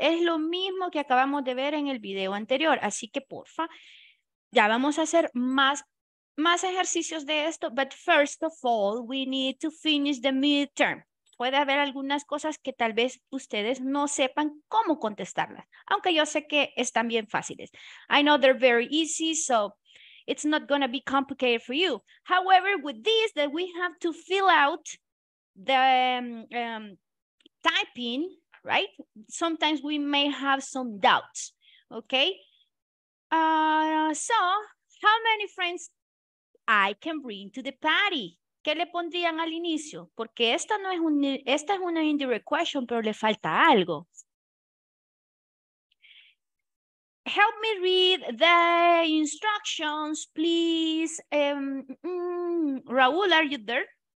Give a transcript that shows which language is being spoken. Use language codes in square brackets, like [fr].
[es] Es lo mismo que acabamos de ver en el video anterior. Así que, porfa, ya vamos a hacer más ejercicios de esto. [en] But first of all, we need to finish the midterm. [es] Puede haber algunas cosas que tal vez ustedes no sepan cómo contestarlas. Aunque yo sé que están bien fáciles. [en] I know they're very easy, so it's not going to be complicated for you. However, with this, that we have to fill out the typing, right? Sometimes we may have some doubts, okay? So, how many friends I can bring to the party? [es] ¿Qué le pondrían al inicio? Porque esta no es un, esta es una indirect question, pero le falta algo. [en] Help me read the instructions, please. Raul, are you there?